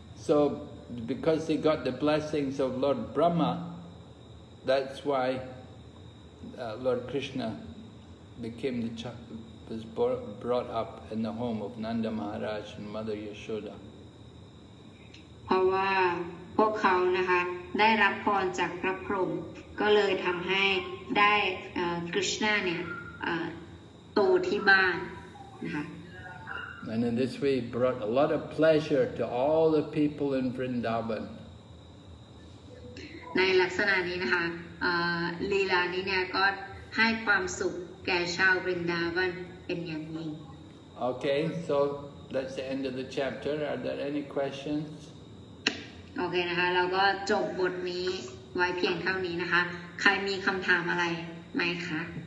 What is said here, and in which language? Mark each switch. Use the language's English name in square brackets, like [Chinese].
[English] So because they got the blessings of Lord Brahma that's why Lord Krishna became the was brought up in the home of Nanda Maharaj and Mother Yashoda [Thai] เพราะว่าพวกเขานะคะได้รับพรจากพระพรหมก็เลยทำให้ได้กฤษณาเนี่ยโตที่บ้านนะคะ [English] And in this way brought a lot of pleasure to all the people in Vrindavan [Thai] ในลักษณะนี้นะคะลีลานี้เนี่ยก็ให้ความสุขแก่ชาวบริณดาวันเป็นอย่างยิ่ง [English] Okay so that's the end of the chapter are there any questions [Thai] โอเคนะคะเราก็จบบทนี้ไว้เพียงเท่านี้นะคะใครมีคำถามอะไรไหมคะ